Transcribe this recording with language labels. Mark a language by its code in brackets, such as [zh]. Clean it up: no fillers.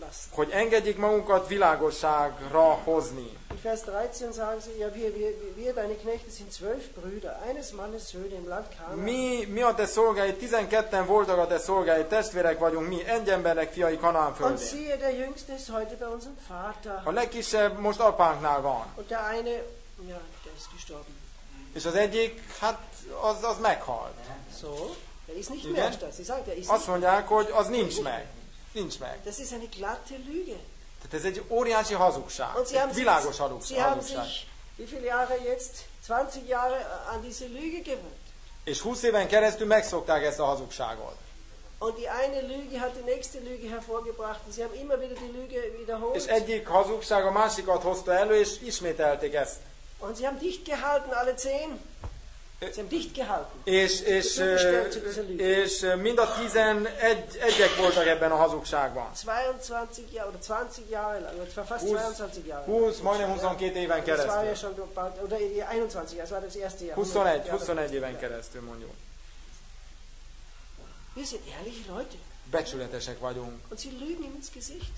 [hu] Hogy engedjék magunkat világosságra hozni. [de] In Vers 13 sagen sie, ja, wir deine Knechte sind 12 Brüder, eines Mannes Söhne im Land Kanaan. [hu] Mi a te szolgáid, 12-en voltak a te szolgáid, testvérek vagyunk mi, egy embernek fiai Kanaan földén. [de] Und siehe, der jüngste ist heute bei unserem Vater. [hu] A legkisebb most apánknál van. [de] Und der eine, ja, der ist gestorben. [hu] És az egyik, hát az meghalt. [de] So, der ist nicht mehr da. Sie sagt, der ist. [hu] Azt mondják, hogy az nincs meg. Nincs meg. [de] Das ist eine glatte Lüge. [hu] Tehát ez egy óriási hazugság, egy világos hazugság. [de] Wie viele Jahre jetzt? 20 Jahre an diese Lüge gewöhnt. [hu] És 20 éven keresztül megszokták ezt a hazugságot. [de] Und die eine Lüge hat die nächste Lüge hervorgebracht. Sie haben immer wieder die Lüge wiederholt. [hu] És egyik hazugság a másikat hozta elő, és ismételték ezt. [de] Und sie haben dicht gehalten alle 10. Sie haben dicht gehalten. [hu] És mind a 11-ek voltak ebben a hazugságban. [de] 22 Jahre oder 20 Jahre lang, fast 22 Jahre. [hu] 20, majdnem 22 éven keresztül. [de] Das war ja schon bald, oder 21, das war das erste Jahr. [hu] 21 éven keresztül mondjuk. [de] Wir sind ehrliche Leute. [hu] Becsületesek vagyunk. [de] Und sie lügen ihm ins Gesicht.